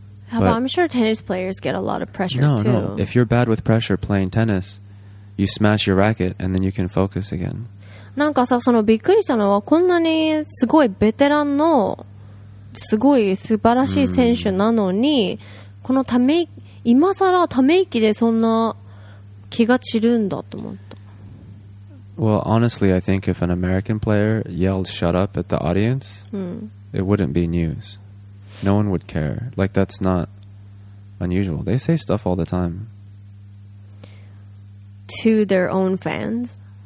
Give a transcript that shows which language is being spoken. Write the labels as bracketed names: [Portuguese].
[English] But I'm sure tennis players get a lot of pressure too. No. If you're bad with pressure playing tennis, you smash your racket and then you can focus again. [Japanese] なんかさ、そのびっくりしたのはこんなにすごいベテランのすごい素晴らしい選手なのに、このため今さらため息でそんな気が散るんだと思った。 [English] Well, honestly, I think if an American player yelled "shut up" at the audience, it wouldn't be news. No one would care. Like, that's not unusual. They say stuff all the time. To their own fans.